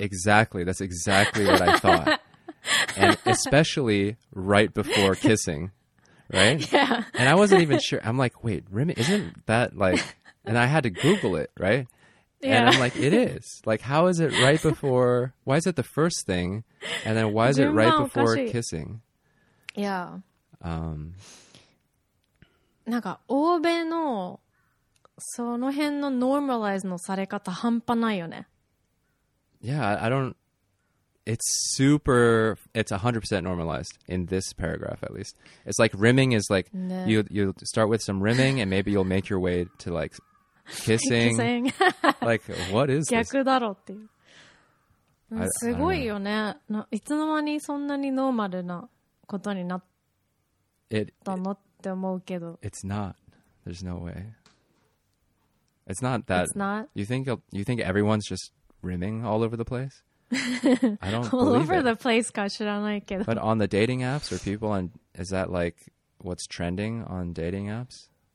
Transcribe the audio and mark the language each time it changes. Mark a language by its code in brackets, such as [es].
[en] Exactly. That's exactly what I thought. And especially right before kissing. Right? Yeah. And I wasn't even sure. I'm like, wait, rimming, isn't that like, and I had to Google it, right? Yeah. And I'm like, it is. Like, how is it right before, why is it the first thing? And then why is it right before kissing? Yeah. [ja] なんか、欧米のその辺のノーマライズのされ方半端ないよね。 [en] Yeah, I don't, it's 100% normalized in this paragraph, at least. It's like rimming is like, you start with some rimming and maybe you'll make your way to like kissing. Kissing. Like, what is [ja] 逆 [en] this? [ja] だろっていう。すごいよね。いつの間にそんなにノーマルなことになったのって思うけど。 [en] It's not. There's no way. It's not that. It's not. You think everyone's just rimming all over the place? I don't all over it. The place [ja] か知らないけど、 [en] but on the dating apps or people on, is that like what's trending on dating apps?